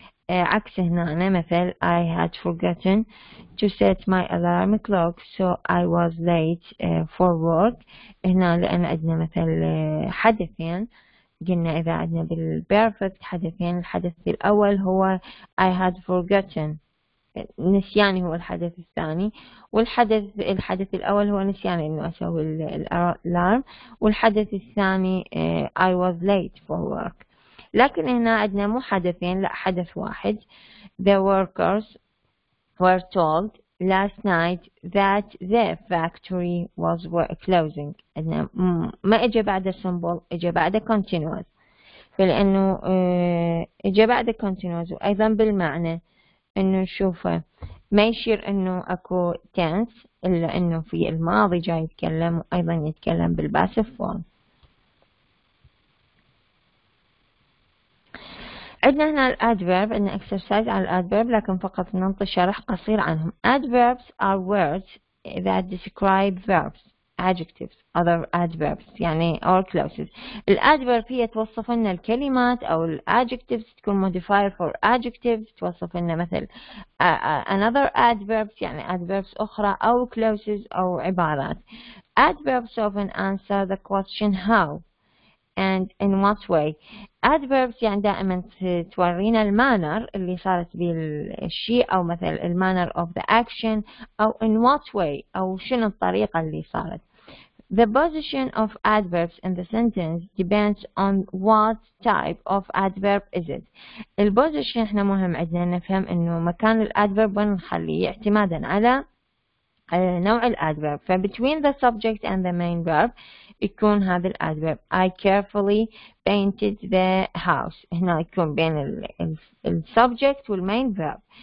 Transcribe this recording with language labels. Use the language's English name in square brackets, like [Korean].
[Arabic] عكس هنا أنا مثل [English] I had forgotten to set my alarm clock so I was late for work، [Arabic] هنا لأن عندنا مثل حدثين، قلنا إذا عندنا بالبيرفكت حدثين، الحدث الأول هو [English] I had forgotten، [Arabic] نسياني هو الحدث الثاني، والحدث الأول هو نسياني إنه أسوي الألارم، والحدث الثاني [English] I was late for work. [Arabic] لكن هنا عندنا مو حدثين، لا حدث واحد. [English] The workers were told last night that the factory was closing. [Arabic] عندنا ما إجا بعد symbol، إجا بعد continuous. فلأنه إجا بعد continuous وأيضا بالمعنى انه نشوفه ما يشير انه اكو تنس، الا انه في الماضي جاي يتكلم، وايضا يتكلم بالباسف فورم. عندنا هنا الادفيرب، عندنا اكسرسايز على الادفيرب، لكن فقط ننطي شرح قصير عنهم. [English] Adverbs are words that describe verbs, adjectives, other adverbs يعني or clauses. [Arabic] الادفيرب هي توصف لنا الكلمات، او الادجكتيفز تكون موديفاير فور ادجكتيفز توصف لنا مثل another adverbs يعني adverbs اخرى، او clauses او عبارات. [English] Adverbs often answer the question how and in what way. [Arabic] Adverbs يعني دائما تورينا المانر اللي صارت بالشيء، او مثل المانر of the action، او [English] in what way، [Arabic] او شنو الطريقة اللي صارت. [English] The position of adverbs in the sentence depends on what type of adverb is it. [Arabic] البوزيشن احنا مهم عندنا نفهم انه مكان الادفيرب وين نخليه اعتمادا على نوع الادفيرب. [English] فبتوين the subject and the main verb يكون هذا الادفيرب. I carefully painted the house، [Arabic] هنا يكون بين السبجكت والمين فيرب.